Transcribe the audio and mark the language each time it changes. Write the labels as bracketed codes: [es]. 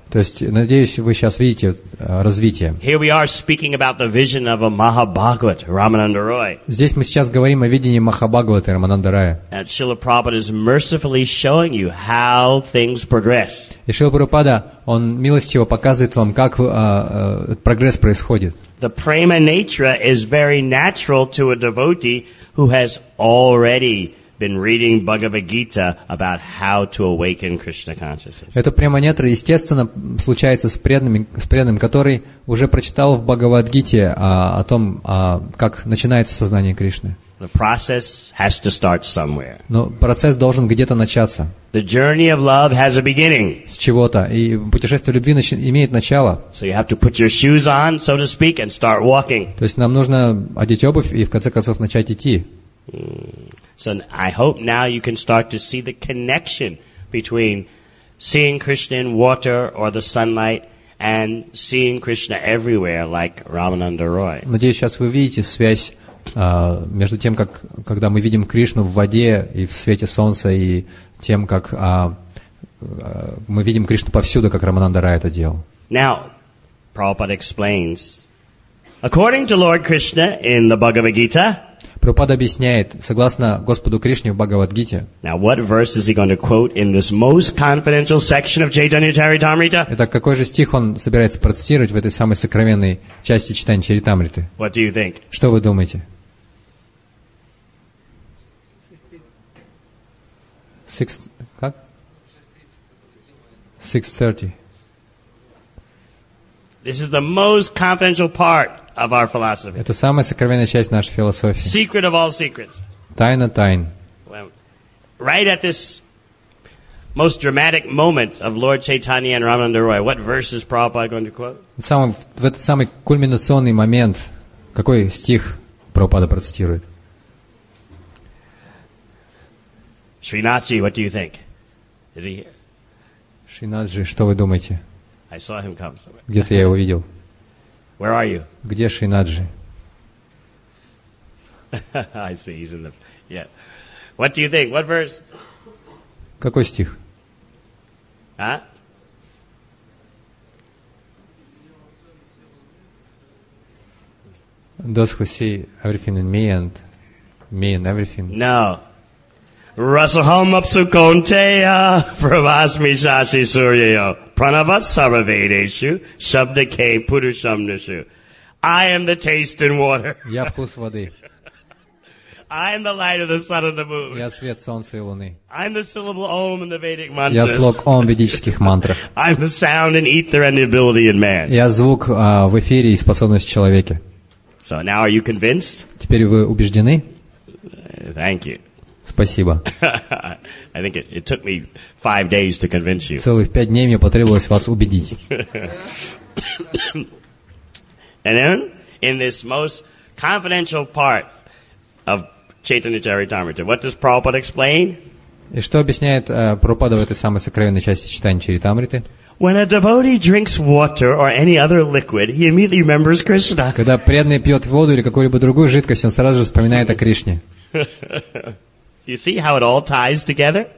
[ru] То есть, надеюсь, вы сейчас видите развитие. [en] Here we are speaking about the vision of a Mahabhagavat, Ramananda Roy. [ru] Здесь мы сейчас говорим о видении Махабхагаваты Рамананда Рая. [en] And Srila Prabhupada is mercifully showing you how things progress. [ru] И Шрила Прабхупада, он милостиво показывает вам, как прогресс происходит. [en] The prema natura is very natural to a devotee who has already been reading Bhagavad Gita about how to awaken Krishna consciousness. [ru] Это према-нетра естественно случается с преданным, который уже прочитал в Бхагавад-гите о том, как начинается сознание Кришны. [en] The process has to start somewhere. [ru] Но процесс должен где-то начаться. [en] The journey of love has a beginning. [ru] С чего-то. И путешествие любви имеет начало. [en] So you have to put your shoes on, so to speak, and start walking. [ru] То есть нам нужно одеть обувь и в конце концов начать идти. [en] So I hope now you can start to see the connection between seeing Krishna in water or the sunlight and seeing Krishna everywhere like Ramananda Roy. [ru] Надеюсь, сейчас вы видите связь между тем, как когда мы видим Кришну в воде и в свете солнца, и тем, как мы видим Кришну повсюду, как Рамананда Рай это делал. [en] Now, Prabhupada explains, according to Lord Krishna in the Bhagavad Gita, [ru] Прабхупада объясняет, согласно Господу Кришне в Бхагавад-гите. [en] Now what verse is he going to quote in this most confidential section of Chaitanya Charitamrita? [ru] Это какой же стих он собирается процитировать в этой самой сокровенной части Чайтанья Чаритамриты? [en] What do you think? [ru] Что вы думаете? [en] 6:30. This is the most confidential part. Of our philosophy. [ru] Это самая сокровенная часть нашей философии. [en] Secret of all secrets. [ru] Тайна тайн. [en] Right at this most dramatic moment of Lord Chaitanya and Ramananda Roy, what verse is Prabhupada going to quote? [ru] В этот самый кульминационный момент, какой стих Прабхупада процитирует? [en] Шринатжи, what do you think? Is he here? [ru] Шринатжи, что вы думаете? [en] I saw him come somewhere. [ru] Где-то я его видел. [en] Where are you? [ru] Где Шринаджи? [en] I see he's in the yeah. What do you think? What verse? [ru] Какой стих? А? [en] Those who see everything in me and everything. No. [sa] Rasaham apsukonteya pravasmi shashi suryayo pranavat saravedeshu shabdake purusham nishu. [en] I am the taste in water. [ru] Я вкус воды. [en] I am the light of the sun and the moon. [ru] Я свет солнца и луны. [en] I'm the syllable Om in the Vedic mantras. [ru] Я слог Ом в ведических мантрах. [en] I'm the sound and ether and the ability in man. [ru] Я звук в эфире и способность в человеке. [en] So now are you convinced? [ru] Теперь вы убеждены? [en] Thank you. [ru] Спасибо. [en] I think it took me 5 days to convince you. [ru] Целых 5 дней мне потребовалось вас убедить. [en] And then in this most confidential part of Chaitanya Charitamrita, what does Prabhupada explain? [ru] И что объясняет Прабхупада в этой самой сокровенной части Чайтаньи Чаритамриты? [en] When a devotee drinks water or any other liquid, he immediately remembers Krishna. [ru] Когда преданный пьет воду или какую-либо другую жидкость, он сразу же вспоминает о Кришне. [en] You see how it all ties together?